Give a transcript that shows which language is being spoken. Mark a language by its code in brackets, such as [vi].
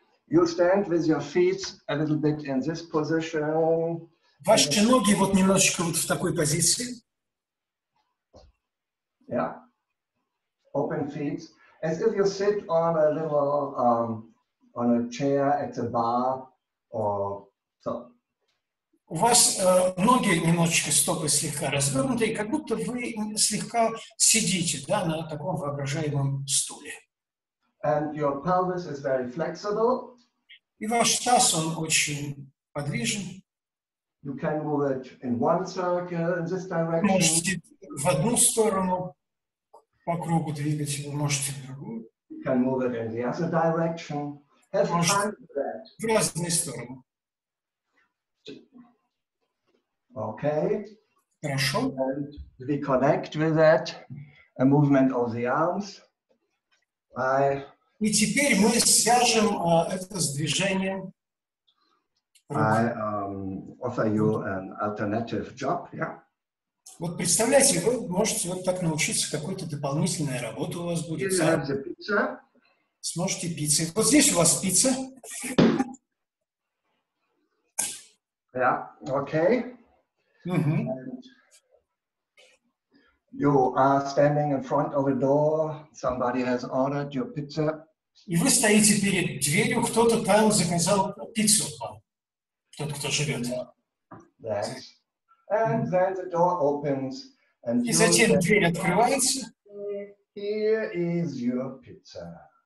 [en] You stand with your feet a little bit in this position. [ru] Ваши ноги вот немножечко вот в такой позиции. [en] Yeah. Open feet, as if you sit on a little on a chair at a bar or so. [ru] У вас ноги немножечко, стопы слегка развернуты, как будто вы слегка сидите, да, на таком воображаемом стуле. [en] And your pelvis is very flexible. [ru] И ваш таз, он очень подвижен. [en] You can move it in one circle in this direction. [ru] Можете в одну сторону по кругу двигать его, можете в другую. [en] You can move it in the other direction. Have fun with that. [ru] В разные стороны. [en] Okay. [ru] Хорошо. [en] And we connect with that, a movement of the arms. [ru] И теперь мы свяжем это с движением. [en] I offer you an alternative job, yeah. [ru] Вот представляете, вы можете вот так научиться, какую-то дополнительную работу у вас будет. [en] You have the pizza. [ru] Сможете пиццы. Вот здесь у вас пицца. [en] Yeah, okay. Mm-hmm. You are standing in front of a door. Somebody has ordered your pizza. [ru] И вы стоите перед дверью, кто-то там заказал пиццу. Тот, кто живет. [en] Yes. And then the door opens. And [ru] и затем дверь открывается. [en] Here is your pizza.